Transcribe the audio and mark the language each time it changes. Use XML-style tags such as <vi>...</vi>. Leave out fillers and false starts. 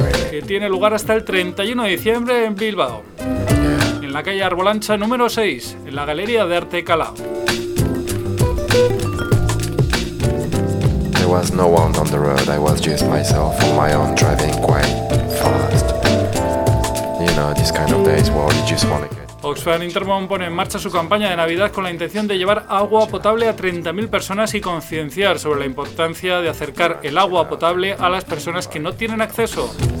<es>Que tiene lugar hasta el 31 de diciembre en Bilbao, en la calle Arbolancha número 6, en la Galería de Arte Calao.</es> <en>There was no one on the road, I was just myself on my own driving quite fast. You know, this kind of days where you just want to get.</en> <es>Oxfam Intermon pone en marcha su campaña de Navidad con la intención de llevar agua potable a 30.000 personas y concienciar sobre la importancia de acercar el agua potable a las personas que no tienen acceso.</es>